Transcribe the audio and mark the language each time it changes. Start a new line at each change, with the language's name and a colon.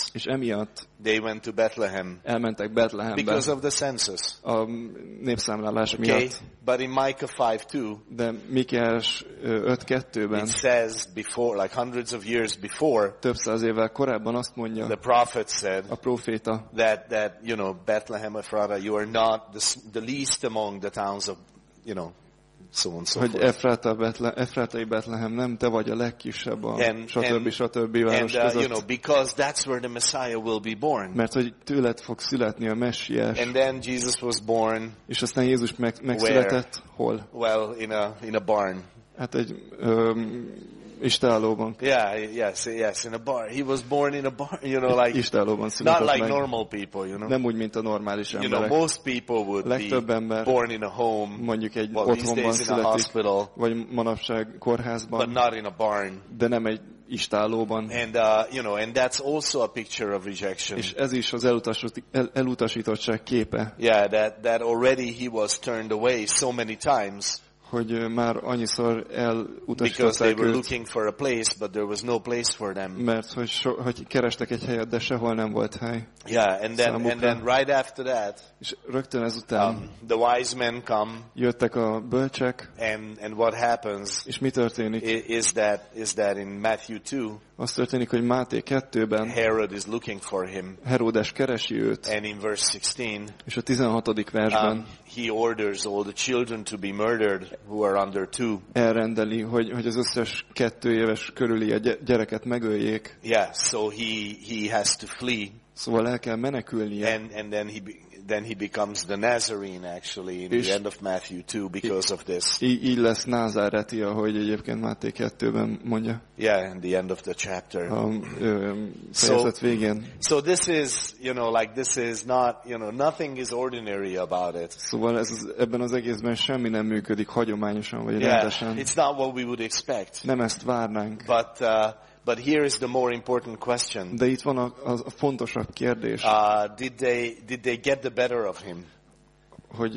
Hungarian: és emiatt
English: they went to Bethlehem.
Hungarian: Elmentek Bethlehembe.
English: Because of the census.
Hungarian: A népszámlálás miatt.
English: But in Micah 5:2,
Hungarian: de Mikéás 5:2-ben,
English: it says before, like hundreds of years before,
Hungarian: több száz évvel korábban azt mondja,
English: the prophet said,
Hungarian: a proféta,
English: that you know, Bethlehem Ephrata, you are not the least among the towns of, you know, so on, so
Hungarian: hogy Efrátai Betlehem, nem te vagy a legkisebb a satöbbi város között.
English: And you know, because that's where the Messiah will be born.
Hungarian: Mert hogy tőled fog születni a Messiás.
English: And then Jesus was born.
Hungarian: És aztán Jézus megszületett hol?
English: Well, in a barn.
Hungarian: Hát egy istállóban.
English: Yeah, yes, in a barn. He was born in a barn, you know, like
Hungarian: istállóban született.
English: Not like
Hungarian: meg.
English: Normal people, you know.
Hungarian: Nem úgy, mint a normális emberek.
English: You know, most people would
Hungarian: legtöbb
English: be
Hungarian: ember,
English: born in a home,
Hungarian: mondjuk egy
English: well,
Hungarian: otthonban születik,
English: in a hospital,
Hungarian: vagy manapság kórházban,
English: but not in a barn.
Hungarian: De nem egy istállóban.
English: And you know, and that's also a picture of rejection.
Hungarian: És ez is az elutasítottság képe.
English: Yeah, that already he was turned away so many times.
Hungarian: Hogy már annyiszor elutasították őt.
English: Because they were looking for a place, but there was no place for them.
Hungarian: Mert hogy kerestek egy helyet, de sehol nem volt hely.
English: Yeah, and then right after that.
Hungarian: És rögtön ezután.
English: The wise men come.
Hungarian: Jöttek a bölcsek.
English: And what happens?
Hungarian: És mi történik?
English: Is that in Matthew 2?
Hungarian: Az történik, hogy Máté 2-ben.
English: Herod is looking for him.
Hungarian: Herodes keresi őt.
English: And in verse 16.
Hungarian: És a 16. versben.
English: He orders all the children to be murdered who are under 2.
Hungarian: Elrendeli, hogy az összes 2 éves körüli a gyereket megöljék.
English: Yeah, so he has to flee.
Hungarian: Szóval el kell menekülnie.
English: And then he becomes the Nazarene actually in the end of Matthew 2 because of this.
Hungarian: Így lesz Názáreti, ahogy egyébként Máté 2-ben mondja.
English: Yeah, in the end of the chapter.
Hungarian: Fejezet végén.
English: So this is, you know, like this is not, you know, nothing is ordinary about it.
Hungarian: Szóval ebben az egészben semmi nem működik hagyományosan vagy rendesen.
English: Yeah, it's not what we would expect.
Hungarian: Nem ezt várnánk.
English: But here is the more important question.
Hungarian: De itt van a fontosabb kérdés.
English: Did they get the better of him?
Hungarian: Hogy